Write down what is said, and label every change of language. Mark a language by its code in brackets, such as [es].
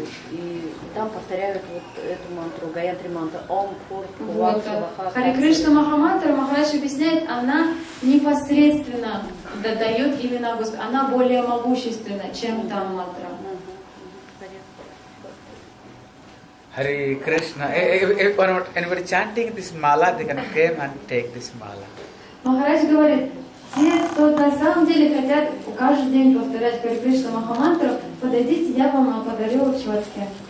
[ru] И там повторяют вот эту мантру, Гаятри мантру, Ом Пур Пуат Сабаха. Хари Кришна Махамантра, Махарадж объясняет, она непосредственно дает имена Господа, она более могущественна, чем та мантра. [sa] Hare Krishna. [en] If anybody chanting this mala, they can come and take this mala. [ru] Махарадж говорит, Те, кто на самом деле хотят каждый день повторять Хари Кришна Махамантру, подойдите, я вам подарю четки.